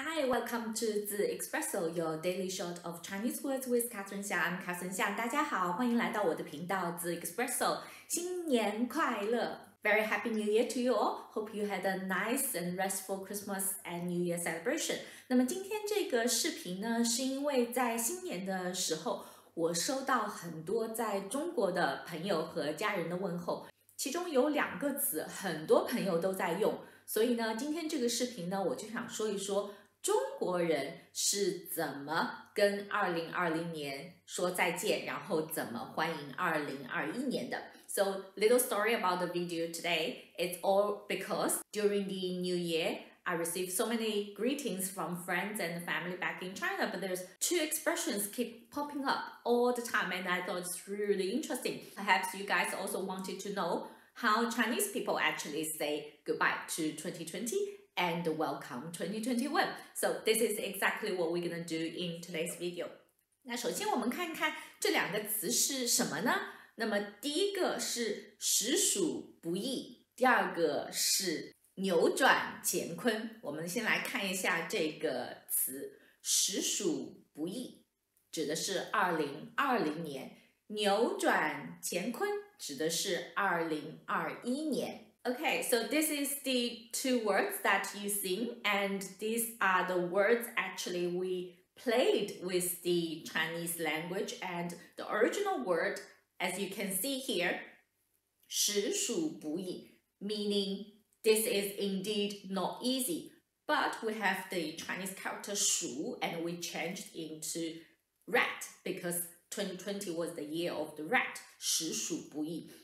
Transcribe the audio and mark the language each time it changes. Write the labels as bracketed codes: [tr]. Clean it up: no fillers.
[en] Welcome to the espresso, your daily shot of Chinese words with Catherine Xia. I'm Catherine Xia. [zh] 大家好，欢迎来到我的频道 the espresso. 新年快乐 ！ [en] Very happy New Year to you all. Hope you had a nice and restful Christmas and New Year celebration. [zh] 那么今天这个视频呢，是因为在新年的时候，我收到很多在中国的朋友和家人的问候，其中有两个词很多朋友都在用，所以呢，今天这个视频呢，我就想说一说。中国人是怎么跟2020年说再见，然后怎么欢迎2021年的。 [en] So, little story about the video today. It's all because during the New Year, I received so many greetings from friends and family back in China, but there's two expressions keep popping up all the time, and I thought it's really interesting. Perhaps you guys also wanted to know how Chinese people actually say goodbye to 2020. And welcome 2021. So this is exactly what we're gonna do in today's video. [zh] 那首先我们看看这两个词是什么呢？那么第一个是实属不易，第二个是扭转乾坤。我们先来看一下这个词，实属不易指的是2020年，扭转乾坤指的是2021年。 [en] Okay, so this is the two words that you sing, and these are the words actually we played with the Chinese language, and the original word, as you can see here, 实属不易, meaning this is indeed not easy, but we have the Chinese character 属, and we changed into rat, because 2020 was the year of the rat, 实属不易。